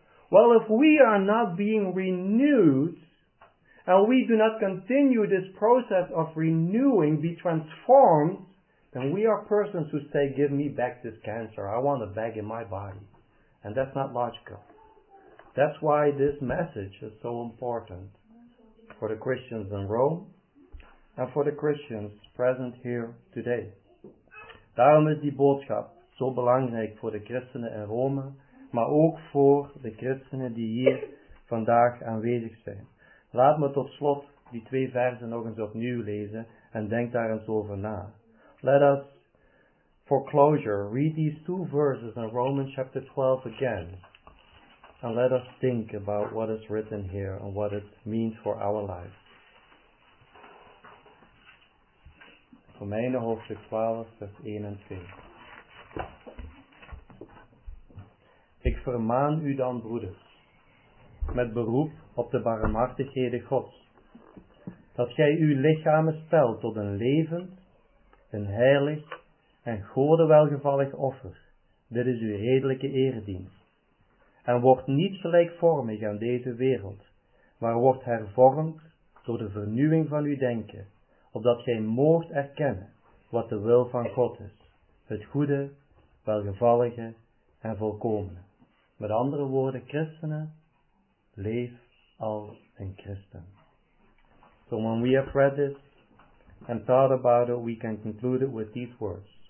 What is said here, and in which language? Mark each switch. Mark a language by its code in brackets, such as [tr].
[en] Well, if we are not being renewed, and we do not continue this process of renewing, be transformed, then we are persons who say, give me back this cancer, I want it back in my body. And that's not logical. That's why this message is so important for the Christians in Rome and for the Christians present here today. [nl] Daarom is die boodschap zo belangrijk voor de christenen in Rome, maar ook voor de christenen die hier vandaag aanwezig zijn. Laat me tot slot die twee versen nog eens opnieuw lezen en denk daar eens over na. [en] Let us, for closure, read these two verses in Romans chapter 12 again. And let us think about what is written here and what it means for our life. [nl] Romeinen hoofdstuk 12, vers 1 en 2. Ik vermaan u dan, broeders, met beroep op de barmhartigheden Gods, dat gij uw lichamen stelt tot een levend, een heilig en Gode welgevallig offer. Dit is uw redelijke eredienst. En wordt niet gelijkvormig aan deze wereld, maar wordt hervormd door de vernieuwing van uw denken, opdat gij moogt erkennen wat de wil van God is, het goede, welgevallige en volkomene. Met andere woorden, christenen, leef als een christen. [en] So when we have read this and thought about it, we can conclude it with these words.